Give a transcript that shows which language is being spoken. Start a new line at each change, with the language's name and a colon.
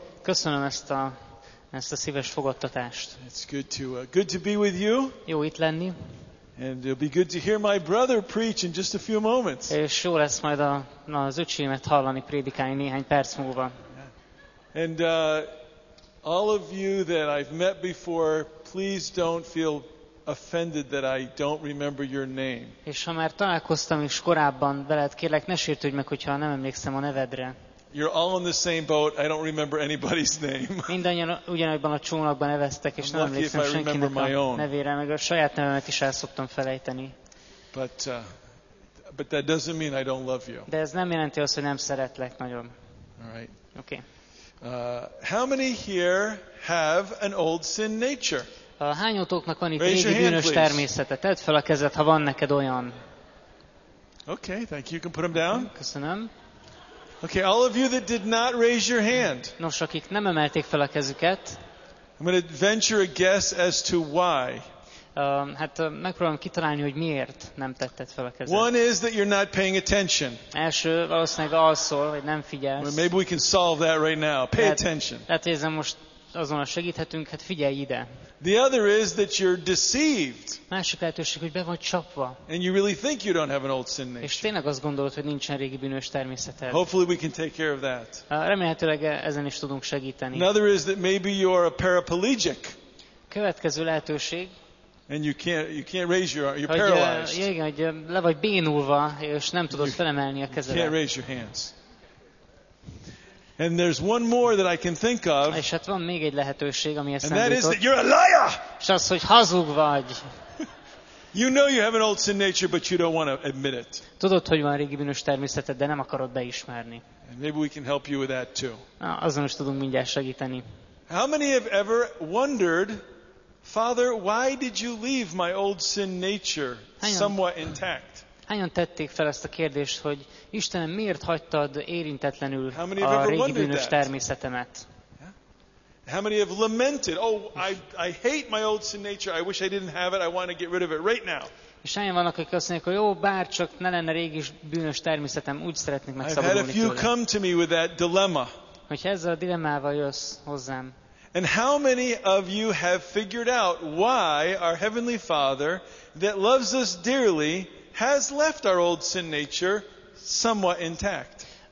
Hungarian: Köszönöm ezt a szíves fogadtatást.
English: It's good to be with you.
Hungarian: Jó itt lenni.
English: And it'll be good to hear my brother preach in just a few moments.
Hungarian: És jó lesz majd az öcsémet hallani prédikálni néhány perc múlva.
English: And all of you that I've met before, please don't feel offended that I don't remember your name.
Hungarian: És ha már találkoztam is korábban veled, kérlek, ne sértődj meg, hogyha nem emlékszem a nevedre.
English: You're all in the same boat. I don't remember anybody's name.
Hungarian: Mindannyian ugyanabban a csónakban neveztek, és nem emlékszem senkinek a nevére, meg a saját nevemet is el szoktam felejteni.
English: But that doesn't mean I don't love you.
Hungarian: De ez nem jelenti azt, hogy nem szeretlek nagyon.
English: All right. Okay. How many here have an old sin nature?
Hungarian: Hányotoknak van itt régi bűnös természete? Tedd fel a kezed, ha van neked olyan.
English: Okay, thank you. You can put them down.
Hungarian: Köszönöm.
English: Okay, all of you that did not raise your hand.
Hungarian: Nos, akik nem emelték fel a kezüket.
English: I'm going to venture a guess as to why.
Hungarian: Megpróbálom kitalálni, hogy miért nem tetted fel a kezed.
English: One is that you're not paying attention.
Hungarian: Első, valószínűleg alszol, hogy nem figyelsz.
English: Well, maybe we can solve that right now. Pay attention.
Hungarian: Hát érzem, most azonnal segíthetünk, hát figyelj ide.
English: The other is that you're deceived.
Hungarian: Másik lehetőség, hogy be vagy csapva.
English: And you really think you don't have an old sin nature.
Hungarian: És tényleg azt gondolod, hogy nincsen régi bűnös természeted.
English: Hopefully we can take care of that.
Hungarian: Remélhetőleg ezen is tudunk segíteni.
English: Another is that maybe you are a paraplegic.
Hungarian: Következő lehetőség.
English: And you can't raise your arm. You're paralyzed.
Hungarian: Hogy, igen, hogy le vagy bénulva, és nem tudod felemelni a kezedet.
English: You can't raise your hands. And there's one more that I can think of.
Hungarian: És hát van még egy lehetőség, ami eszembe jutott.
English: And that is that you're a liar.
Hungarian: És az, hogy hazug vagy.
English: You know you have an old sin nature, but you don't want to admit it.
Hungarian: Tudod, hogy van régi bűnös természeted, de nem akarod beismerni.
English: And maybe we can help you with that too.
Hungarian: Na, azon is tudunk mindjárt segíteni.
English: How many have ever wondered, Father, why did you leave my old sin nature somewhat intact?
Hungarian: Hányan tették fel ezt a kérdést, hogy Istenem, miért hagytad érintetlenül a régi bűnös természetemet?
English: How many have lamented? Oh, I hate my old sin nature. I wish I didn't have it. I want to get rid of it right now.
Hungarian: És hányan vannak, akik azt mondják, hogy jó, bár csak ne lenne régi bűnös természetem, úgy szeretnék megszabadulni tőle.
English: I've had a few come to me with that dilemma.
Hungarian: Hogyha ezzel a dilemmával jössz hozzám.
English: And how many of you have figured out why our Heavenly Father that loves us dearly has left our old sin nature somewhat intact?